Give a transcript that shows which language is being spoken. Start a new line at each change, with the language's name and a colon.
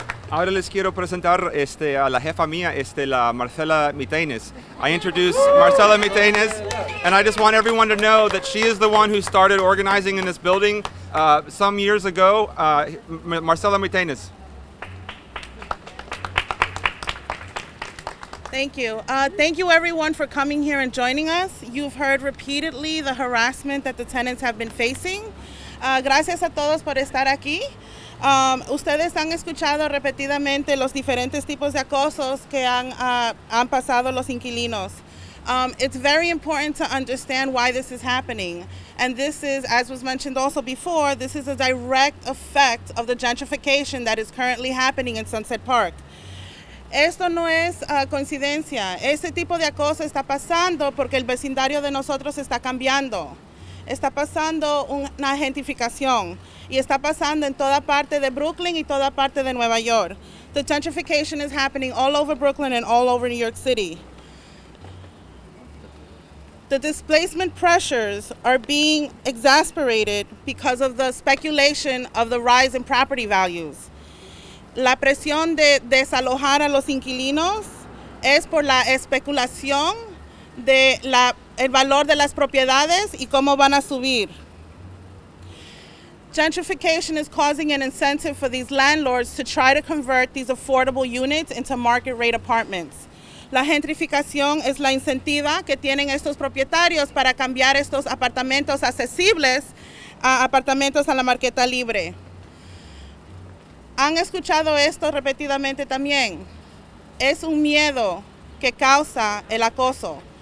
Spanish: Ahora les quiero presentar a la jefa mía, la Marcela Mitaines.
English: I introduce Marcela Mitaines, and I just want everyone to know that she is the one who started organizing in this building some years ago. Marcela Mitaines. Thank you. Thank you everyone for coming here and joining us. You've heard repeatedly the harassment that the tenants have been facing.
Spanish: Gracias a todos por estar aquí. Ustedes han escuchado repetidamente los diferentes tipos de acosos que han pasado los inquilinos.
English: It's very important to understand why this is happening. And this is, as was mentioned also before, this is a direct effect of the gentrification that is currently happening in Sunset Park.
Spanish: Esto no es coincidencia. Este tipo de acoso está pasando porque el vecindario de nosotros está cambiando. Está pasando una gentrificación y está pasando en toda parte de Brooklyn y toda parte de Nueva York.
English: The gentrification is happening all over Brooklyn and all over New York City. The displacement pressures are being exacerbated because of the speculation of the rise in property values.
Spanish: La presión de desalojar a los inquilinos es por la especulación de la el valor de las propiedades y cómo van a subir.
English: Gentrification is causing an incentive for these landlords to try to convert these affordable units into market rate apartments.
Spanish: La gentrificación es la incentiva que tienen estos propietarios para cambiar estos apartamentos accesibles a apartamentos a la marqueta libre. Han escuchado esto repetidamente también. Es un miedo que causa el acoso.